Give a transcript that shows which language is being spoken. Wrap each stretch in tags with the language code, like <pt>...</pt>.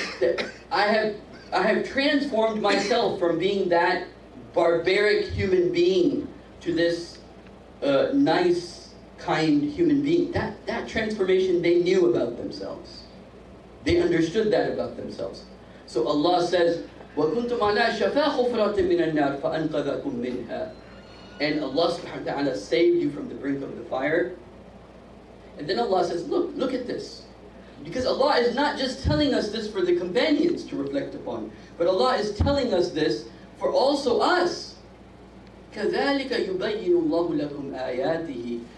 <en>That I have transformed myself from being that barbaric human being to this nice, kind human being. That transformation they knew about themselves. They understood that about themselves. So Allah says,</en> <ar>وَكُنْتُمْ عَلَىٰ شَفَا حُفْرَةٍ مِّنَ النَّارِ فَأَنْقَذَكُمْ مِنْهَا.</ar> <en>And Allah subhanahu wa ta'ala saved you from the brink of the fire. And then Allah says, look at this. Because Allah is not just telling us this for the companions to reflect upon, but Allah is telling us this for also us.</en> <ar>كَذَلِكَ يُبَيِّنُ اللَّهُ لَكُمْ آيَاتِهِ.</ar>